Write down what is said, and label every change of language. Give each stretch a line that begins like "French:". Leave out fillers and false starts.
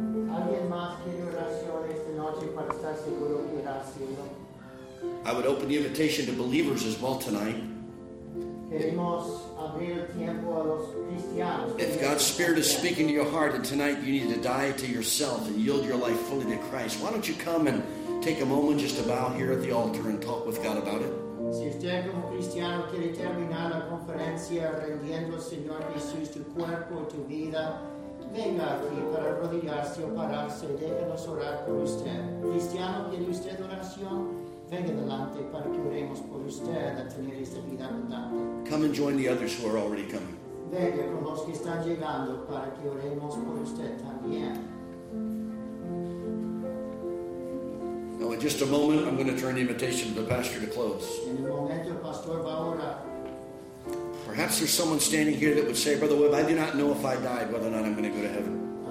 Spanish: ¿Alguien más quiere oración esta noche para estar seguro que irá al cielo?
English: I would open the invitation to believers as well tonight.
Spanish: Queremos abrir el tiempo a los cristianos.
English: If God's Spirit is speaking to your heart and tonight you need to die to yourself and yield your life fully to Christ, why don't you come and take a moment just to bow here at the altar and talk with God about it?
Spanish: Si usted como cristiano quiere terminar la conferencia rendiendo al Señor Jesús tu cuerpo, tu vida, Venga aquí para arrodillarse o pararse. Déjenos orar por usted. Cristiano, ¿tiene usted oración? Venga adelante para que oremos por usted a tener esta vida abundante.
English: Come and join the others who are already coming.
Spanish: Venga con los que están llegando para que oremos por usted también.
English: Now, in just a moment, I'm going to turn the invitation to the pastor to close.
Spanish: En un momento, el pastor va a orar.
English: Perhaps there's someone standing here that would say, Brother Webb, I do not know if I died, whether or not I'm going to go to heaven.